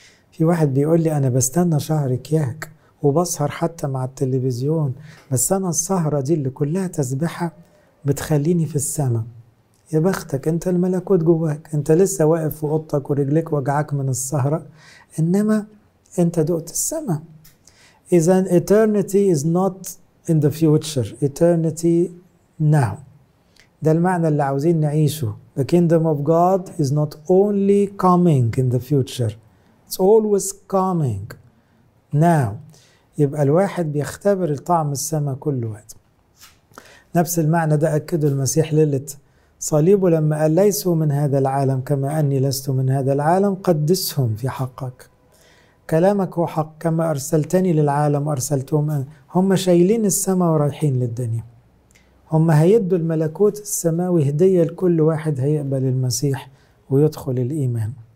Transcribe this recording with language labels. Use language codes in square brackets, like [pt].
[ar] في واحد بيقول لي أنا بستنى شهر كياك وبسهر حتى مع التلفزيون، بس أنا السهرة دي اللي كلها تسبحة بتخليني في السماء. يا بختك، انت الملكوت جواك، انت لسه واقف في اوضتك ورجليك وجعاك من السهرة، انما انت دقت السماء. اذا [en] eternity is not in the future, eternity now. [ar] ده المعنى اللي عاوزين نعيشه. [en] The kingdom of God is not only coming in the future, it's always coming now. [ar] يبقى الواحد بيختبر طعم السماء كل وقت. نفس المعنى ده أكده المسيح ليلة صليبه لما قال: ليسوا من هذا العالم كما أني لست من هذا العالم، قدسهم في حقك، كلامك هو حق، كما أرسلتني للعالم أرسلتهم. هم شايلين السماء ورايحين للدنيا، هم هيدوا الملكوت السماوي هدية لكل واحد هيقبل المسيح ويدخل الإيمان.